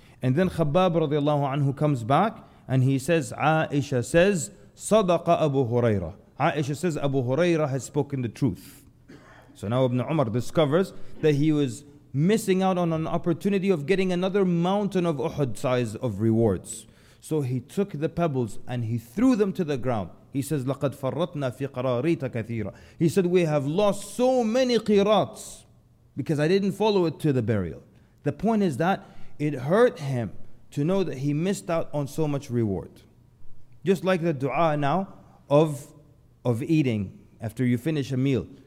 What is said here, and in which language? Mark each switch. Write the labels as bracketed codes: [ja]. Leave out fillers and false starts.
[en] And then Khabbab radiallahu anhu comes back and he says, Aisha says, Sadaqa Abu Hurairah. Aisha says, Abu Hurairah has spoken the truth. So now Ibn Umar discovers that he was missing out on an opportunity of getting another mountain of Uhud size of rewards. So he took the pebbles and he threw them to the ground. He says, [ar] لَقَدْ فَرَّطْنَا فِي قَرَارِيْتَ كَثِيرًا. [en] He said, we have lost so many qirats because I didn't follow it to the burial. The point is that it hurt him to know that he missed out on so much reward. Just like the dua now of eating after you finish a meal.